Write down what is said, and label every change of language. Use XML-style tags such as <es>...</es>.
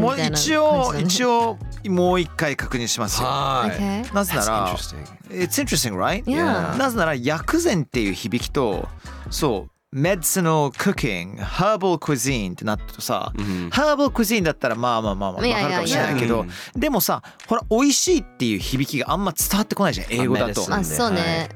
<ja>もう一応もう一回確認しますよ。はい。なぜなら、</ja> <en>It's interesting, right? Yeah.</en> <ja>なぜなら薬膳っていう響きと、そう、</ja> <en>medicinal cooking, herbal cuisine</en> <ja>ってなったとさ、</ja> <en>herbal cuisine</en> <ja>だったらまあ分かるかもしれないけど、でもさ、ほら美味しいっていう響きがあんま伝わってこないじゃん英語だと。あ、そうね。</ja>